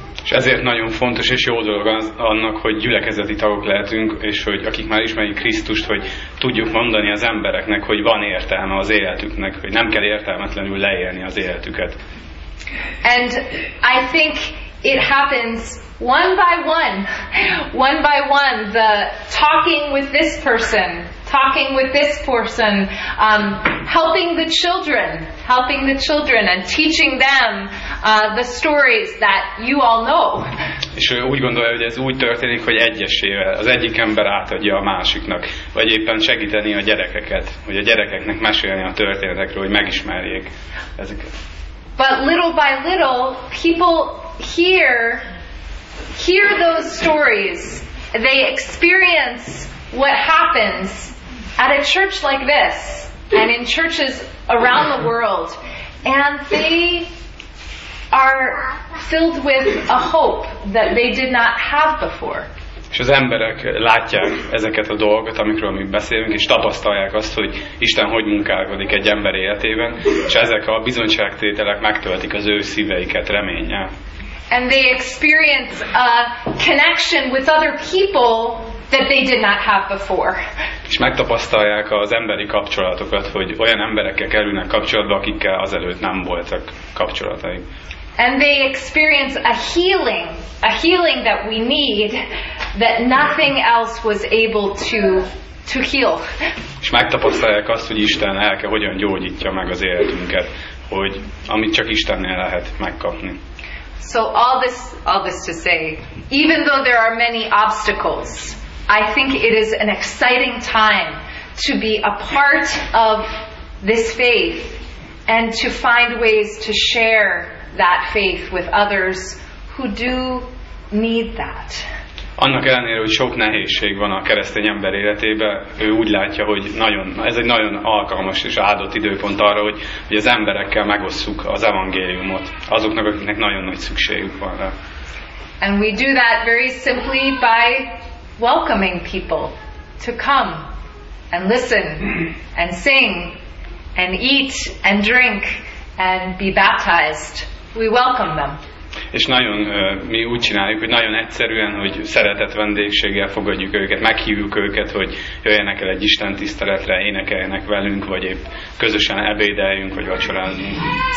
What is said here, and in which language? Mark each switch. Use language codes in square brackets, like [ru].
[hu] És ezért nagyon fontos és jó dolog az, annak, hogy gyülekezeti tagok lehetünk, és hogy akik már ismerik Krisztust, hogy tudjuk mondani az embereknek, hogy van értelme az életüknek, hogy nem kell értelmetlenül leélni az életüket. [en] And I think it happens one by one. One by one, the talking with this person talking with this person, helping the children and teaching them the stories that you all know. [hu] És úgy gondolja, hogy ez úgy történik, hogy egyesével, az egyik ember átadja a másiknak, vagy éppen segíteni a gyerekeket, hogy a gyerekeknek mesélni a történetekről, hogy megismerjék ezeket. [en] But little by little, people hear those stories. They experience what happens at a church like this, and in churches around the world, and they are filled with a hope that they did not have before. [hu] És az emberek látják ezeket a dolgokat, amikről mi beszélünk, és tapasztalják azt, hogy Isten hogy munkálkodik egy ember életében, és ezek a bizonyságtételek megtöltik az ő szíveiket reménnyel. [en] And they experience a connection with other people that they did not have before. [hu] És megtapasztalják az emberi kapcsolatokat, hogy olyan emberekkel kerülnek kapcsolatba, akikkel azelőtt nem voltak kapcsolataik. [en] And they experience a healing that we need, that nothing else was able to heal. [hu] És megtapasztalják azt, hogy Isten lelke hogyan gyógyítja meg az életünket, hogy amit csak Istennél lehet megkapni. [en] So all this to say, even though there are many obstacles, I think it is an exciting time to be a part of this faith and to find ways to share that faith with others who do need that. [hu] Annak ellenére, hogy sok nehézség van a keresztény ember életében, ő úgy látja, hogy ez egy nagyon alkalmas és áldott időpont arra, hogy az emberekkel megosszuk az evangéliumot, azoknak, akiknek nagyon nagy szükségük van rá. [en] And we do that very simply by welcoming people to come and listen and sing and eat and drink and be baptized. We welcome them. [hu] És nagyon mi úgy csináljuk, hogy nagyon egyszerűen, hogy szeretett vendégséggel fogadjuk őket, meghívjuk őket, hogy jöjjenek el egy Isten tiszteletre, énekeljenek velünk, vagy épp közösen ebédeljünk, vagy vacsorázunk.